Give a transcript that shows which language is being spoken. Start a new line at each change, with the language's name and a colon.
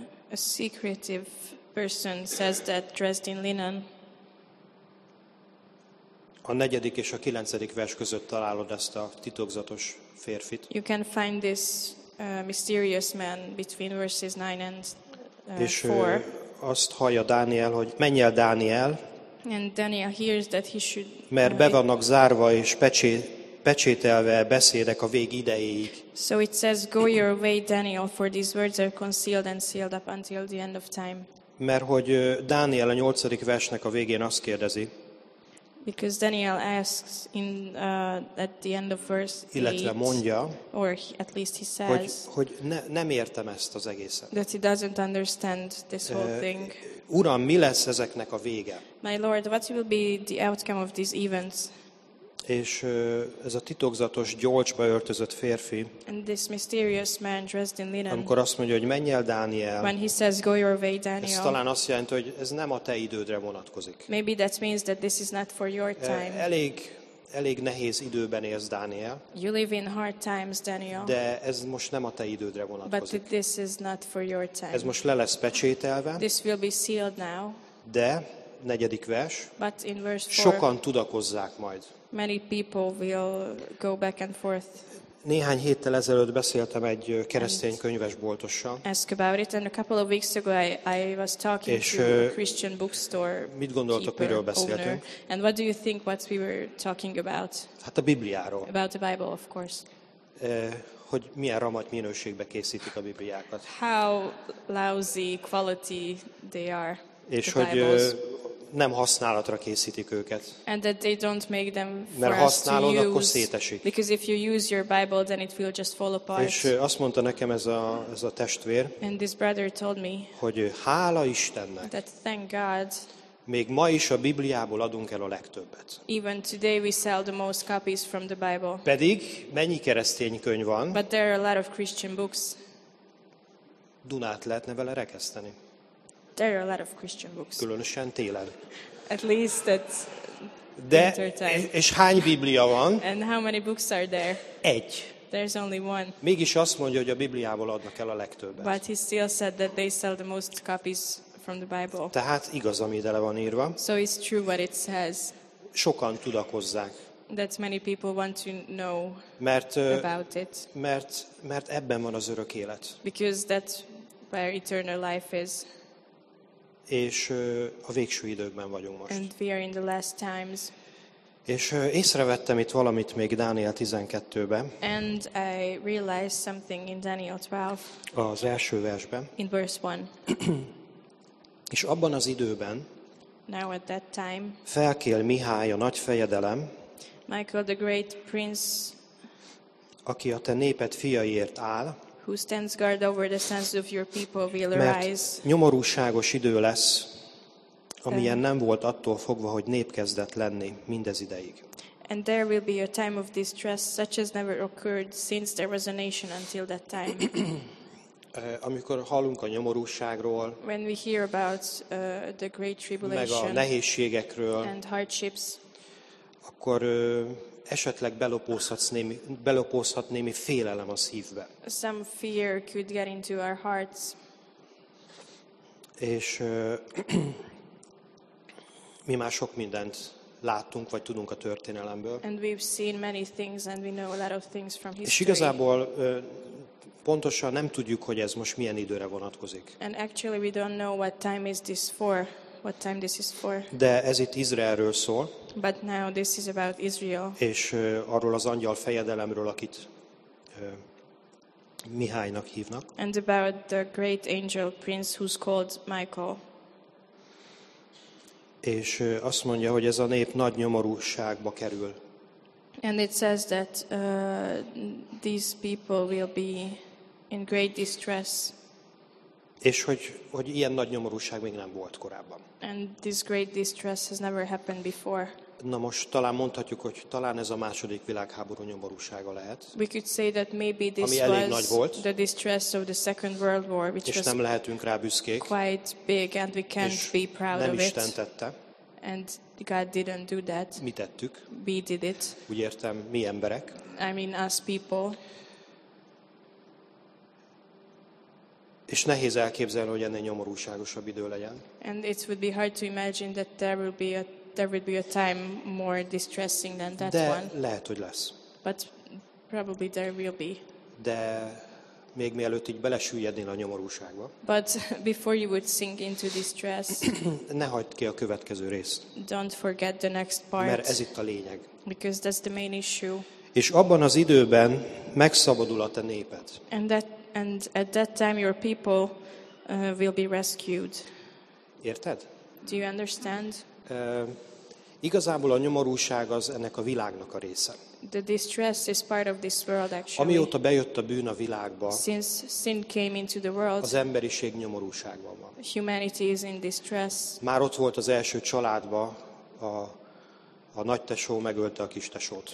English: A secretive person says that dressed in linen.
Hungarian: A 4. és a 9. vers között találod ezt a titokzatos férfit.
English: You can find this mysterious man between verses 9 and 4.
Hungarian: És azt hallja Dániel, hogy menj el, Dániel.
English: And Daniel hears that he should.
Hungarian: Mert be vannak zárva és pecsételve beszédek a vég idejéig.
English: So it says, go your way, Daniel, for these words are concealed and sealed up until the end of time.
Hungarian: Mert hogy Dániel a 8. versnek a végén azt kérdezi.
English: Because Daniel asks in at the end of verse 8,
Hungarian: illetve mondja,
English: or at least he says,
Hungarian: hogy nem értem ezt az egészet.
English: That he doesn't understand this whole thing.
Hungarian: Uram, mi lesz ezeknek a vége?
English: My Lord, what will be the outcome of these events?
Hungarian: És ez a titokzatos, gyolcsba öltözött férfi,
English: and this mysterious man dressed in linen,
Hungarian: amikor azt mondja, hogy menj el, Dániel,
English: when he says, go your way, Daniel,
Hungarian: ez talán azt jelenti, hogy ez nem a te idődre vonatkozik.
English: Maybe that means that this is not for your time.
Hungarian: Elég nehéz időben élsz, Dániel.
English: You live in hard times, Daniel.
Hungarian: De ez most nem a te idődre vonatkozik.
English: But this is not for your time.
Hungarian: Ez most le lesz pecsételve.
English: This will be sealed now.
Hungarian: De, negyedik vers,
English: but in verse 4,
Hungarian: sokan tudakozzák majd.
English: Many people will go back and forth.
Hungarian: Néhány héttel ezelőtt beszéltem egy keresztény könyvesboltossal.
English: Ask about it, and a couple of weeks ago I was talking
Hungarian: és,
English: to a Christian bookstore.
Hungarian: Mit gondoltok, miről beszéltünk?
English: And what do you think what we were talking about?
Hungarian: Hát a Bibliáról.
English: About the Bible, of course.
Hungarian: Hogy milyen ramat minőségbe készítik a Bibliákat.
English: How lousy quality they are.
Hungarian: És
English: the
Hungarian: hogy
English: Bibles.
Hungarian: Nem használatra készítik őket.
English: And that they don't make them for
Hungarian: mert használod,
English: us to use,
Hungarian: akkor szétesik.
English: Because if you use your Bible, then it will just fall apart.
Hungarian: És azt mondta nekem ez a testvér,
English: and this brother told me,
Hungarian: hogy hála Istennek,
English: that thank God,
Hungarian: még ma is a Bibliából adunk el a legtöbbet.
English: Even today we sell the most copies from the Bible.
Hungarian: Pedig mennyi keresztény könyv van?
English: But there are a lot of Christian books.
Hungarian: Dunát lehetne vele rekeszteni.
English: There are a lot of Christian books.
Hungarian: Különösen télen.
English: At least at winter time.
Hungarian: És hány Biblia van?
English: And how many books are there?
Hungarian: Egy.
English: There's only one.
Hungarian: Mégis azt mondja, hogy a Bibliából adnak el a legtöbbet.
English: But he still said that they sell the most copies from the Bible.
Hungarian: Tehát igaz, ami ide le van írva.
English: So it's true what it says.
Hungarian: Sokan tudakozzák.
English: That many people want to know
Hungarian: mert,
English: about it.
Hungarian: Mert ebben van az örök élet.
English: Because that's where eternal life is.
Hungarian: És a végső időkben vagyunk most.
English: And we are in the last times.
Hungarian: És észrevettem itt valamit még Dániel 12-ben.
English: And I realized something in Daniel 12.
Hungarian: Az első versben.
English: In verse 1.
Hungarian: És abban az időben
English: now at that time,
Hungarian: felkél Mihály, a nagy fejedelem,
English: Michael the great prince,
Hungarian: aki a te néped fiaiért áll,
English: who stands guard over the sons of your people will
Hungarian: mert
English: arise.
Hungarian: Nyomorúságos idő lesz, amilyen nem volt attól fogva, hogy nép kezdett lenni mindez ideig.
English: And there will be a time of distress such as never occurred since there was a nation until that time.
Hungarian: Amikor hallunk a nyomorúságról,
English: when we hear about the great tribulation,
Hungarian: meg a nehézségekről,
English: and hardships,
Hungarian: akkor esetleg belopózhat némi félelem a szívbe.
English: Some fear could get into our hearts.
Hungarian: És mi már sok mindent láttunk, vagy tudunk a történelemből.
English: And we've seen many things, and we know a lot of things from history.
Hungarian: És igazából pontosan nem tudjuk, hogy ez most milyen időre vonatkozik.
English: And actually we don't know what time is this for. What time this is for.
Hungarian: De ez itt Izraelről szól.
English: But now this is about Israel.
Hungarian: És arról az angyal fejedelemről, akit Mihálynak hívnak.
English: And about the great angel prince who's called Michael.
Hungarian: És azt mondja, hogy ez a nép nagy nyomorúságba kerül.
English: And it says that these people will be in great distress.
Hungarian: És hogy ilyen nagy nyomorúság még nem volt korábban.
English: And this great distress has never happened before.
Hungarian: Na most talán mondhatjuk, hogy talán ez a második világháború nyomorúsága lehet.
English: We could say that maybe this
Hungarian: ami elég nagy volt.
English: The distress of the Second World War, which
Hungarian: és nem lehetünk rá büszkék.
English: Quite big, and we can't be proud
Hungarian: nem
English: of it.
Hungarian: Isten tette.
English: And God didn't do that.
Hungarian: Mi tettük.
English: We did it.
Hungarian: Úgy értem, mi emberek.
English: I mean us people.
Hungarian: És nehéz elképzelni, hogy ennél nyomorúságosabb idő legyen.
English: And it would be hard to imagine that there would be a time more distressing than that
Hungarian: de
English: one.
Hungarian: De lehet, hogy lesz.
English: But probably there will be.
Hungarian: De még mielőtt így belesüllyednél a nyomorúságba.
English: But before you would sink into distress.
Hungarian: Ne hagyd ki a következő részt.
English: Don't forget the next part.
Hungarian: Mert ez itt a lényeg.
English: Because that's the main issue.
Hungarian: És abban az időben megszabadul a te néped.
English: And at that time your people will be rescued.
Hungarian: Érted?
English: Do you understand?
Hungarian: Igazából a nyomorúság az ennek a világnak a része.
English: The distress is part of this world, actually.
Hungarian: Amióta bejött a bűn a világba,
English: since sin came into the world,
Hungarian: az emberiség nyomorúságban van.
English: Humanity is in distress.
Hungarian: Már ott volt az első családba a nagytesó megölte a kistesót.